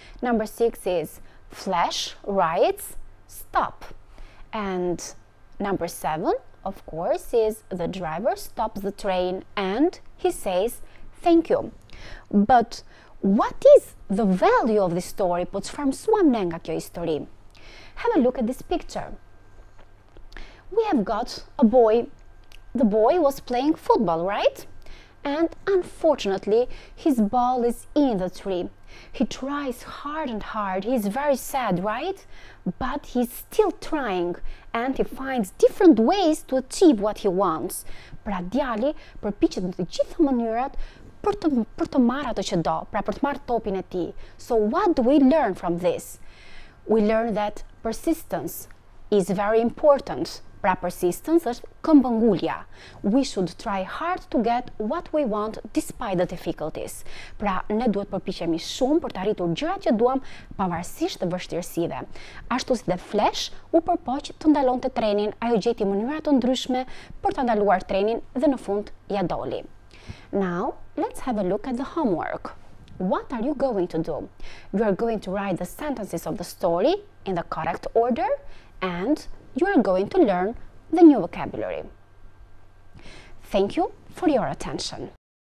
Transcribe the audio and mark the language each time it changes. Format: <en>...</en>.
<en>Number six is Flash writes stop. And number seven, of course, is the driver stops the train and he says thank you. But what is the value of this story?</en> <sq>Po çfarë mësuam ne nga kjo histori?</sq> <en>Have a look at this picture. We have got a boy. The boy was playing football, right? And unfortunately, his ball is in the tree. He tries hard and hard. He's very sad, right? But he's still trying and he finds different ways to achieve what he wants.</en> <sq>Pra djali përpiqet në të gjitha mënyrat për të marrë atë që do, pra për të marrë topin e tij.</sq> <en>So what do we learn from this? We learn that persistence is very important.</en> <sq>Pra persistence është këmbëngulja.</sq> <en>We should try hard to get what we want despite the difficulties.</en> <sq>Pra ne duhet përpiqemi shumë për të arritur gjërat që duam pavarësisht të vështirësive. Ashtu si dhe Flash u përpoq të ndalonte trenin, ajo gjeti mënyra të ndryshme për të ndaluar trenin dhe në fund ja doli.</sq> <en>Now, let's have a look at the homework. What are you going to do? You are going to write the sentences of the story in the correct order and you are going to learn the new vocabulary. Thank you for your attention.</en>